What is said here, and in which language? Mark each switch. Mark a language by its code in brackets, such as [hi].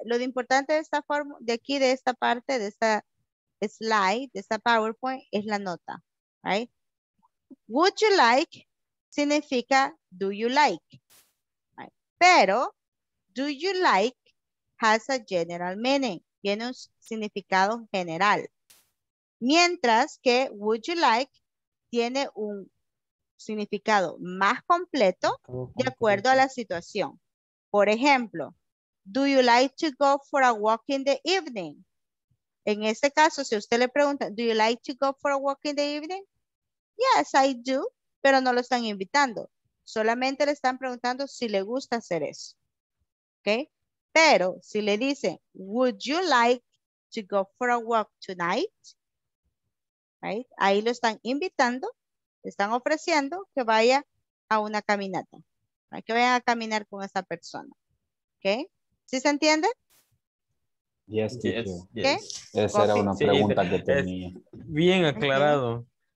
[es] Lo de importante de esta forma, de aquí, de esta parte, de esta slide, de esta PowerPoint, es la nota, right? [en] Would you like significa do you like, right? Pero do you like has a general meaning, [es] tiene un significado general. Mientras que would you like tiene un significado más completo de acuerdo a la situación. Por ejemplo, [en] do you like to go for a walk in the evening? [es] En este caso, si usted le pregunta, [en] do you like to go for a walk in the evening? Yes, I do, [es] pero no lo están invitando. Solamente le están preguntando si le gusta hacer eso. [en] Okay. [es] Pero si le dice, [en] would you like to go for a walk tonight? Right? [es] Ahí lo están invitando, le están ofreciendo que vaya a una caminata. Right? Que vayan a caminar con esa persona. Okay? ¿Sí se entiende? [en] Yes, yes. [es] ¿Qué? [en] Yes. [es] Esa era una pregunta que tenía. Bien aclarado.